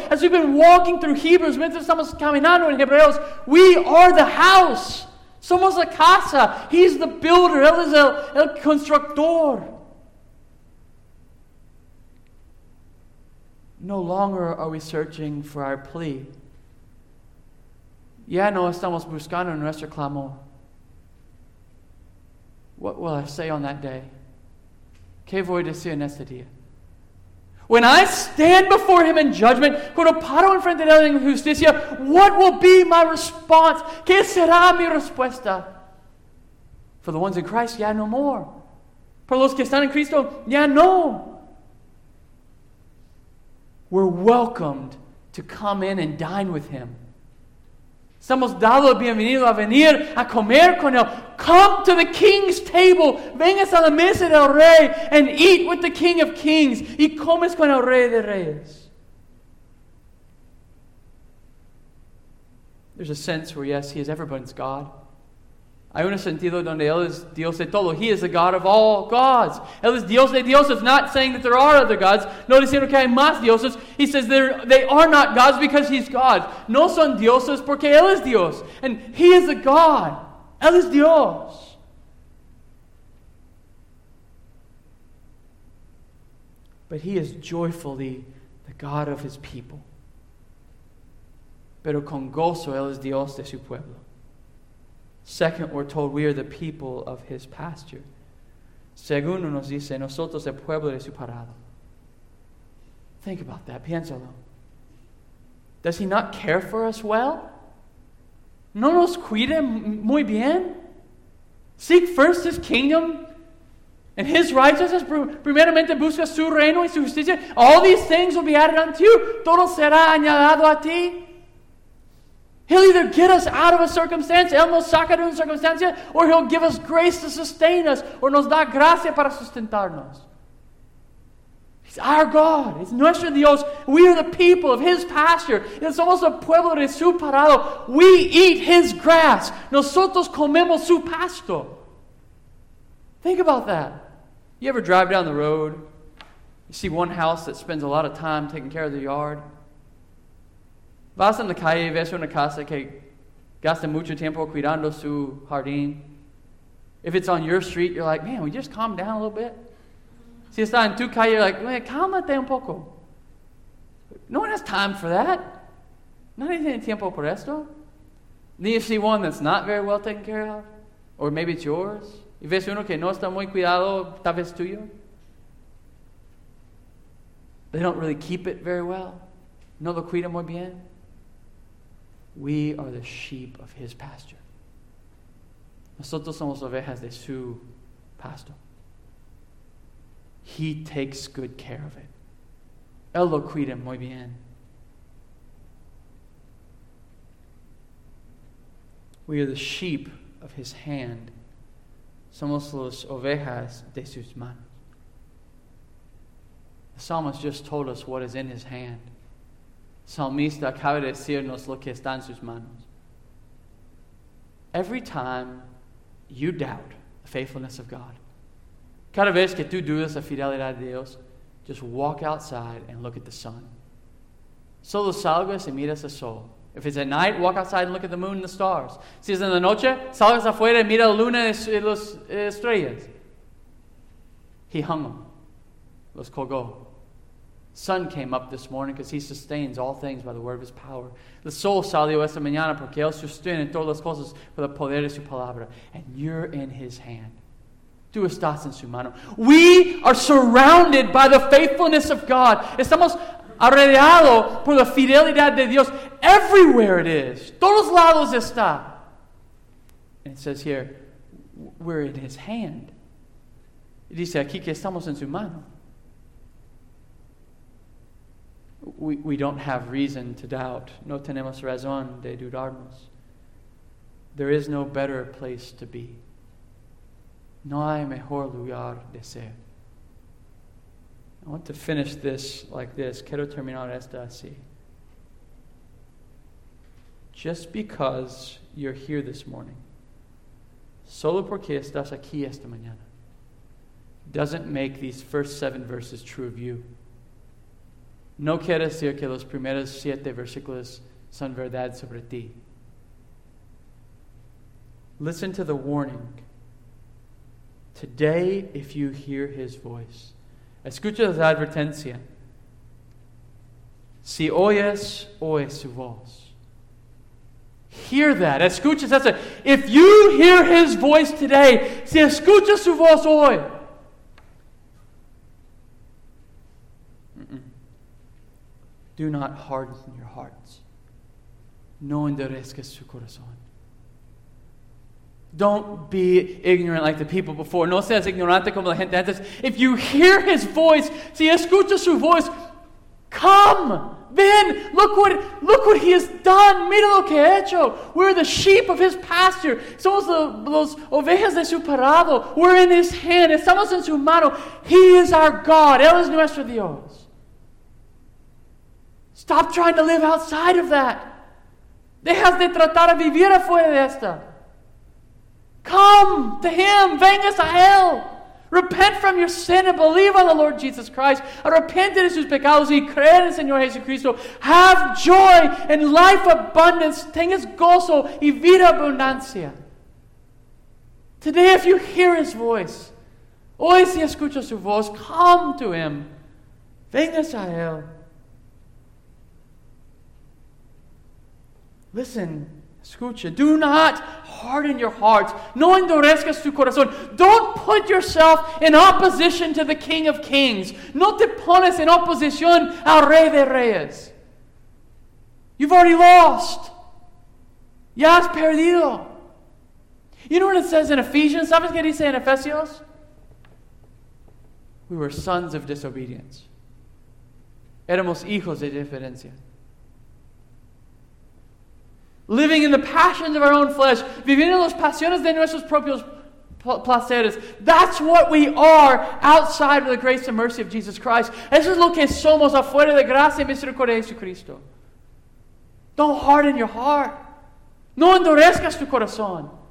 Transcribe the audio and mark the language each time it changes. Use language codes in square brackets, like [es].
[en] As we've been walking through Hebrews, [es] mientras estamos caminando en Hebreos, [en] we are the house. [es] Somos la casa. [en] He's the builder. [es] Él es el constructor. [en] No longer are we searching for our plea. [es] Ya no estamos buscando nuestro clamor. [en] What will I say on that day? [es] ¿Qué voy a decir en este día? [en] When I stand before Him in judgment, [es] cuando paro en frente de Él en justicia, [en] what will be my response? [es] ¿Qué será mi respuesta? [en] For the ones in Christ, [es] ya no [en] more. [es] Para los que están en Cristo, ya no. [en] We're welcomed to come in and dine with Him. [es] Estamos dados bienvenidos a venir a comer con Él. [en] Come to the King's table. [es] Vengas a la mesa del Rey [en] and eat with the King of Kings. [es] Y comes con el Rey de Reyes. [en] There's a sense where, yes, He is everyone's God. [es] Hay un sentido donde Él es Dios de todo. [en] He is the God of all gods. [es] Él es Dios de dioses. [en] Not saying that there are other gods. [es] No diciendo que hay más dioses. [en] He says they are not gods because He's God. [es] No son dioses porque Él es Dios. [en] And He is a God. [es] Él es Dios. [en] But He is joyfully the God of His people. [es] Pero con gozo Él es Dios de su pueblo. [en] Second, we're told we are the people of His pasture. [es] Segundo, nos dice, nosotros el pueblo de su parada. [en] Think about that. [es] Piénsalo. [en] Does He not care for us well? [es] ¿No nos cuida muy bien? [en] Seek first His kingdom and His righteousness. [es] Primeramente busca su reino y su justicia. [en] All these things will be added unto you. [es] Todo será añadido a ti. [en] He'll either get us out of a circumstance, [es] Él nos saca de una circunstancia, [en] or He'll give us grace to sustain us, or [es] nos da gracia para sustentarnos. [en] He's our God. He's [es] nuestro Dios. [en] We are the people of His pasture. [es] Él somos el pueblo de su parado. [en] We eat His grass. [es] Nosotros comemos su pasto. [en] Think about that. You ever drive down the road? You see one house that spends a lot of time taking care of the yard? [es] Vas en la calle, ves una casa que gasta mucho tiempo cuidando su jardín. [en] If it's on your street, you're like, man, we just calm down a little bit. [es] Si está en tu calle, [en] you're like, man, [es] cálmate un poco. [en] No one has time for that. [es] Nadie tiene tiempo por esto. [en] Then you see one that's not very well taken care of, or maybe it's yours. [es] Y ves uno que no está muy cuidado, tal vez tuyo. [en] They don't really keep it very well. [es] No lo cuida muy bien. [en] We are the sheep of his pasture. [es] Nosotros somos ovejas de su pasto. [en] He takes good care of it. [es] Él lo cuida muy bien. [en] We are the sheep of his hand. [es] Somos las ovejas de sus manos. [en] The psalmist just told us what is in his hand. [es] Salmista acaba de decirnos lo que está en sus manos. [en] Every time you doubt the faithfulness of God, [es] cada vez que tú dudas la fidelidad de Dios, [en] just walk outside and look at the sun. [es] Solo salgas y miras el sol. [en] If it's at night, walk outside and look at the moon and the stars. [es] Si es en la noche, salgas afuera y mira la luna y las estrellas. [en] He hung them. [es] Los colgó. [en] Sun came up this morning because he sustains all things by the word of his power. The soul [es] salió esta mañana porque él sostiene todas las cosas por el poder de su palabra. [en] And you're in his hand. [es] Tú estás en su mano. [en] We are surrounded by the faithfulness of God. [es] Estamos alrededor por la fidelidad de Dios. [en] Everywhere it is. [es] Todos lados está. [en] And it says here, we're in his hand. [es] Y dice aquí que estamos en su mano. [en] We don't have reason to doubt. [es] No tenemos razón de dudarnos. [en] There is no better place to be. [es] No hay mejor lugar de ser. [en] I want to finish this like this. [es] Quiero terminar esta así. [en] Just because you're here this morning, [es] solo porque estás aquí esta mañana, [en] doesn't make these first 7 verses true of you. [es] No quiere decir que los primeros 7 versículos son verdad sobre ti. [en] Listen to the warning. Today, if you hear his voice, [es] escucha la advertencia. Si oyes, oye su voz. [en] Hear that. [es] Escucha, [en] that's it. If you hear his voice today, [es] si escucha su voz hoy. [en] Do not harden your hearts. [es] No endurezcas su corazón. [en] Don't be ignorant like the people before. [es] No seas ignorante como la gente antes. [en] If you hear his voice, [es] si escucha su voz, [en] come, [es] ven, [en] look what he has done. [es] Mira lo que ha hecho. [en] We're the sheep of his pasture. [es] Somos los ovejas de su parado. [en] We're in his hand. [es] Estamos en su mano. [en] He is our God. [es] Él es nuestro Dios. [en] Stop trying to live outside of that. [es] Dejas de tratar de vivir afuera de esta. [en] Come to him. [es] Vengas a él. [en] Repent from your sin and believe on the Lord Jesus Christ. [es] Arrepente de sus pecados y cree en el Señor Jesucristo. [en] Have joy and life abundance. [es] Tengas gozo y vida abundancia. [en] Today, if you hear his voice, [es] hoy si escuchas su voz, [en] come to him. [es] Vengas a él. [en] Listen, [es] escucha. [en] Do not harden your hearts. [es] No endurezcas tu corazón. [en] Don't put yourself in opposition to the King of Kings. [es] No te pones en oposición al Rey de Reyes. [en] You've already lost. [es] Ya has perdido. [en] You know what it says in Ephesians? [es] ¿Sabes qué dice en Efesios? [en] We were sons of disobedience. [es] Éramos hijos de diferencia. [en] Living in the passions of our own flesh, [es] viviendo las pasiones de nuestros propios placeres. [en] That's what we are outside of the grace and mercy of Jesus Christ. [es] Eso es lo que somos afuera de la gracia y misericordia de Jesucristo. [en] Don't harden your heart. [es] No endurezcas tu corazón.